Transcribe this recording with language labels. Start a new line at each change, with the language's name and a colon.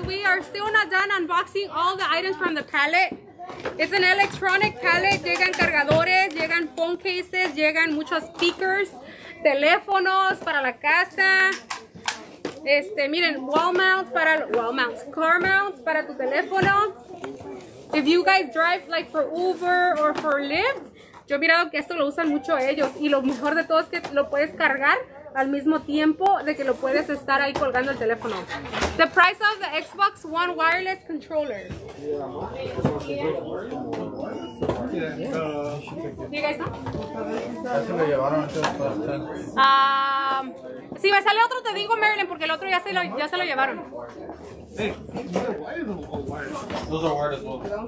English: We are still not done unboxing all the items from the pallet. It's an electronic pallet.
Spanish: Llegan cargadores, llegan phone cases, llegan muchos speakers, teléfonos para la casa. Este, miren, car mount para tu teléfono.
English: If you guys drive like for Uber or for Lyft,
Spanish: yo he mirado que esto lo usan mucho ellos. Y lo mejor de todo es que lo puedes cargar al mismo tiempo de que lo puedes estar ahí colgando el teléfono.
English: The price of the Xbox One wireless controller. Yeah. Yeah. Yeah. You guys know?
Spanish: Si me sale otro, te digo, Marilyn, porque el otro ya se lo llevaron.
English: Hey, why is it all wireless? Those are wireless ones.